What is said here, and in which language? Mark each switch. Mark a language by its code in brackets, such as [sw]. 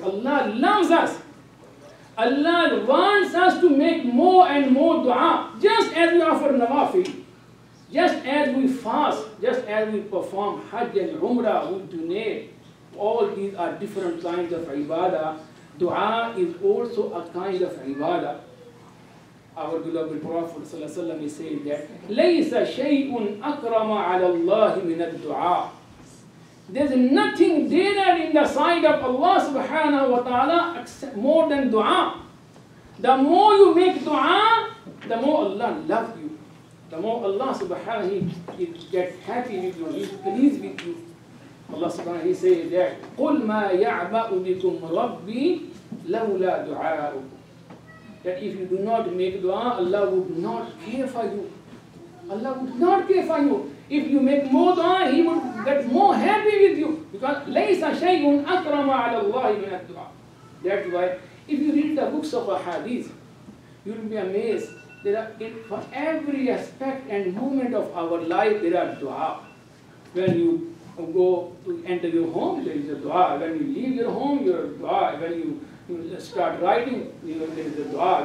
[en] Allah loves us. Allah wants us to make more and more dua, just as we offer nawafil, just as we fast, just as we perform hajj and umrah, we donate. All these are different kinds of ibadah. Dua is also a kind of ibadah. Our beloved Prophet ﷺ is saying that [ar] لَيْسَ شَيْءٌ أَكْرَمَ عَلَى اللَّهِ مِنَ الدُّعَى. [en] There's nothing dearer in the sight of Allah subhanahu wa ta'ala except more than dua. The more you make dua, the more Allah loves you. The more Allah subhanahu wa ta'ala gets happy with you, he's pleased with you. Allah subhanahu wa ta'ala says that, [ar] قُلْ مَا يَعْبَأُ بِكُمْ رَبِّي لَوْلَا دُعَاءُكُمْ. [en] That if you do not make dua, Allah would not care for you. Allah would not care for you. If you make more dua, he would get more happy with you. Because [ar] لَيْسَ شَيْءٌ أَكْرَمَ عَلَى اللَّهِ مِنَ الدُّعَى. [en] That's why, if you read the books of Ahadith, you will be amazed. There are, for every aspect and movement of our life, there are dua. When you go to enter your home, there is a dua. When you leave your home, your dua. When you start writing, you know, there is a dua.